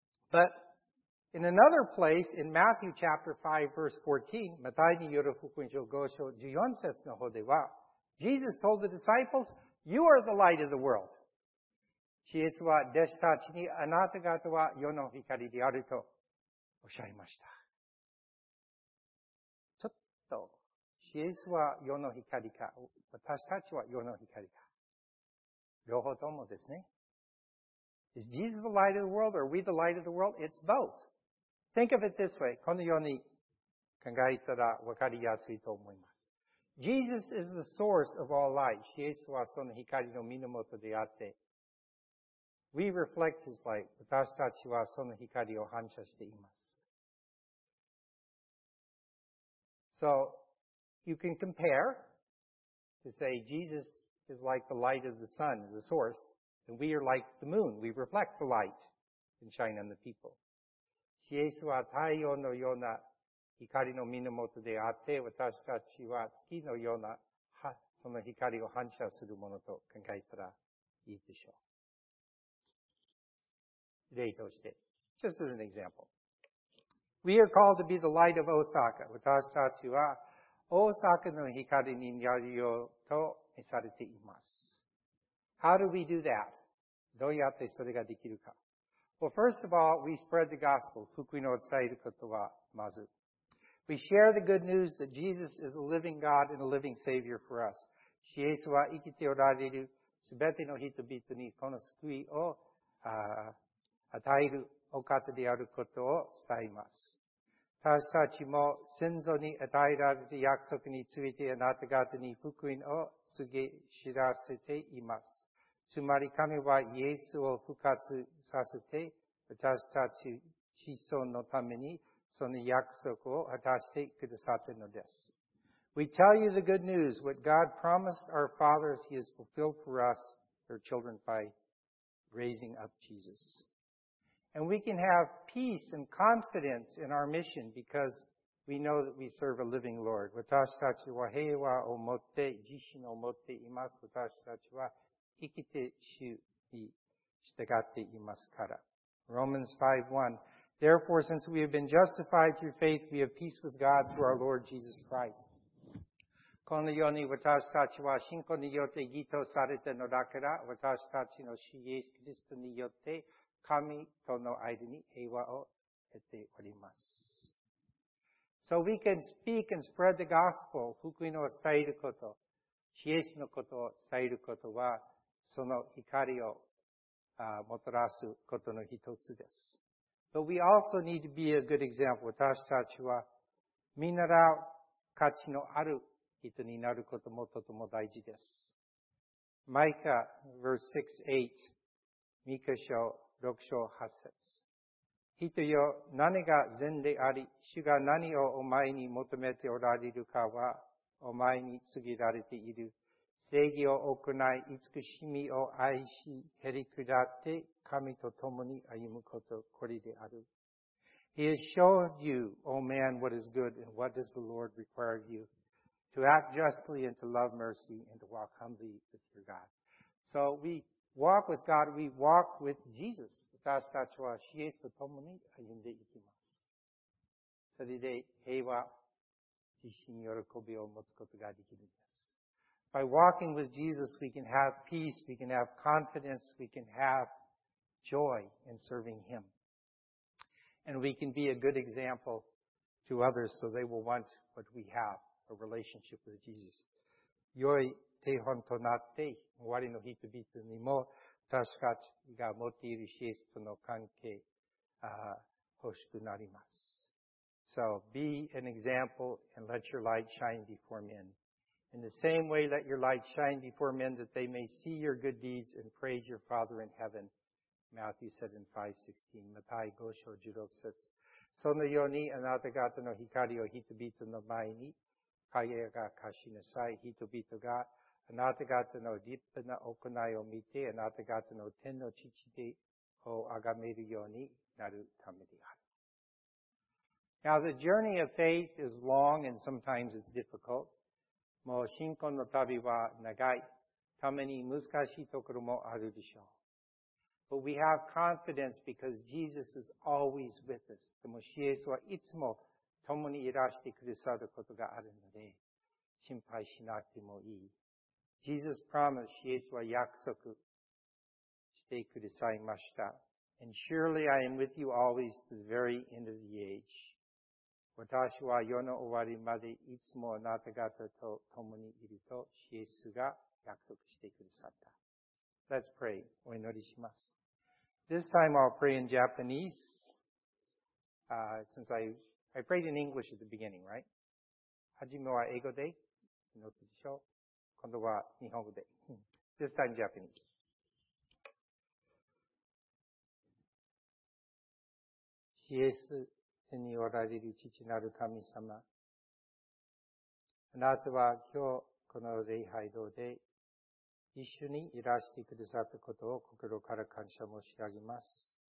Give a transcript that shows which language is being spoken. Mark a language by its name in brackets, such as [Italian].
[English] But in another place, in Matthew chapter 5, verse 14, [Japanese] マタイによる福音書5章14節の方では、 [English] Jesus told the disciples, You are the light of the world. [Japanese] イエスは弟子たちにあなた方は世の光であるとおっしゃいました。ちょっと、イエスは世の光か、私たちは世の光か。両方ともですね。 [English] Is Jesus the light of the world or are we the light of the world? It's both. Think of it this way. [Japanese] このように考えたらわかりやすいと思います。 [English] Jesus is the source of all light. [Japanese] イエスはその光の源であって、 [English] We reflect His light. [Japanese] 私たちはその光を反射しています。 [English] So, you can compare to say Jesus is like the light of the sun, the source, and we are like the moon. We reflect the light and shine on the people. [Japanese] イエスは太陽のような光の源であって、私たちは月のようなその光を反射するものと考えたらいいでしょう。例として、 [English] just as an example. We are called to be the light of Osaka. [Japanese] 私たちは大阪の光になるようと召されています。 [English] How do we do that? [Japanese] どうやってそれができるか? [English] Well, first of all, we spread the gospel. [Japanese] 福音を伝えることはまず。 [English] We share the good news that Jesus is a living God and a living Savior for us. [Japanese] イエスは生きておられるすべての人々にこの救いを与えるお方であることを伝えます。私たちも先祖に与えられた約束についてあなた方に福音を告げ知らせています。つまり神はイエスを復活させて私たち子孫のためにその約束を果たしてくださったのです。 [English] We tell you the good news, what God promised our fathers He has fulfilled for us, their children, by raising up Jesus. And we can have peace and confidence in our mission because we know that we serve a living Lord. [Japanese] 私たちは平和を持って、自信を持っています。私たちは生きて主に従っていますから。 [English] Romans 5:1 Therefore, since we have been justified through faith, we have peace with God through our Lord Jesus Christ. [Japanese] このように私たちは信仰によって義とされたのだから、私たちの主イエスキリストによって神との間に平和を得ております。 [English] So we can speak and spread the gospel, [Japanese] 福音を伝えること、イエスのことを伝えることは、その光をもたらすことの一つです。 [English] But we also need to be a good example. [Japanese] 私たちは、見習う価値のある人になることもとても大事です。マイカ、verse 6-8、ミカ書、6章8節。人よ、何が善であり、主が何をお前に求めておられるかは、お前に告げられている。正義を行い、慈しみを愛し、へり下って、神と共に歩むこと、これである。 [English] He has showed you, O man, what is good, and what does the Lord require of you, to act justly and to love mercy and to walk humbly with your God. So we,Walk with God, we walk with Jesus. [Japanese] 私たちはイエスと共に歩んでいきます。それで平和、自信、喜びを持つことができるんです。 [English] By walking with Jesus, we can have peace, we can have confidence, we can have joy in serving Him. And we can be a good example to others so they will want what we have, a relationship with Jesus. [Japanese] 良い手本となって、終わりの人々にも、確かが持っているシエスとの関係、欲しくなります。 [English] So be an example and let your light shine before men. In the same way, let your light shine before men that they may see your good deeds and praise your Father in heaven. Matthew 7:5-16, Matthai 5:16. [Japanese] そのようにあなた方の光を人々の前に輝かしなさい。人々があなた方の立派な行いを見てあなた方の天の父を崇めるようになるためである。 [English] Now the journey of faith is long and sometimes it's difficult. [Japanese] もう信仰の旅は長い。ために難しいところもあるでしょう。 [English] But we have confidence because Jesus is always with us. [Japanese] でもイエスはいつも共にいらしてくださることがあるので、心配しなくてもいい。 [English] Jesus promised, [Japanese] イエスは約束してくださいました。 [English] And surely I am with you always to the very end of the age. [Japanese] 私は世の終わりまでいつもあなた方と共にいると、イエスが約束してくださった。 [English] Let's pray. [Japanese] お祈りします。 [English] This time I'll pray in Japanese. Since I prayed in English at the beginning, right? [Japanese] はじめは英語で祈ってでしょう。今度は日本語で。 [English] This time Japanese. [Japanese] イエス。天におられる父なる神様。あなたは今日この礼拝堂で一緒にいらしてくださったことを心から感謝申し上げます。